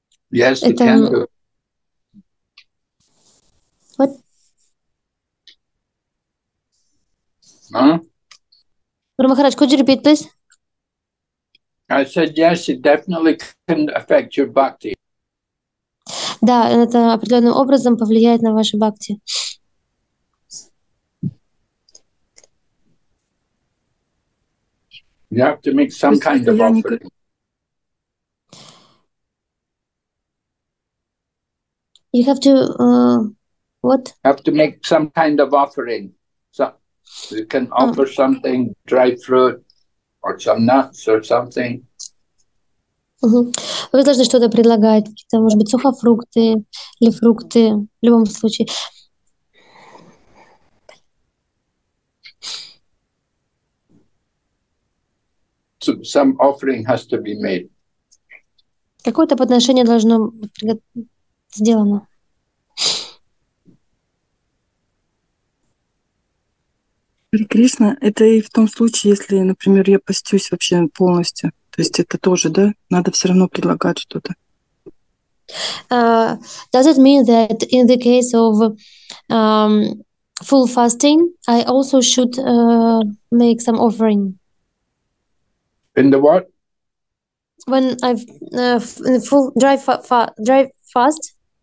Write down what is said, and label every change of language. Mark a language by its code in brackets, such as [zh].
[en] Yes, it can do. What? Guru Maharaj, could you repeat, please? I said, yes, it definitely can affect your bhakti. [ru] Да, это определенным образом повлияет на ваши бхакти. [en] You have to make some kind of offering. You have to what? Have to make some kind of offering. So you can offer something, dry fruit, or some nuts, or something. [ru] Вы должны что-то предлагать, какие-то, может быть, сухофрукты или фрукты. В любом случае. [en] So some offering has to be made. [ru] Какое-то подношение должно быть сделано. Хари Кришна, это и в том случае, если, например, я постюсь вообще полностью. То есть это тоже, да? Надо все равно предлагать что-то. [en] Does it mean that in the case of full fasting, I also should make some offering? In the what? When I've in full dry fast.